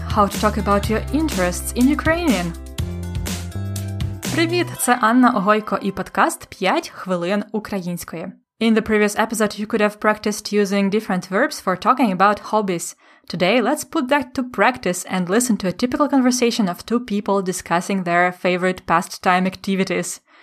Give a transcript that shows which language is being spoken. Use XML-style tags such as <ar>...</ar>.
<en>How to talk about your interests in Ukrainian.</en> <uk>Привіт, це Анна Огойко і подкаст 5 хвилин української.</uk> <en>In the previous episode, you could have practiced using different verbs for talking about hobbies. Today, let's put that to practice and listen to a typical conversation of two people discussing their favorite pastime activities.</en>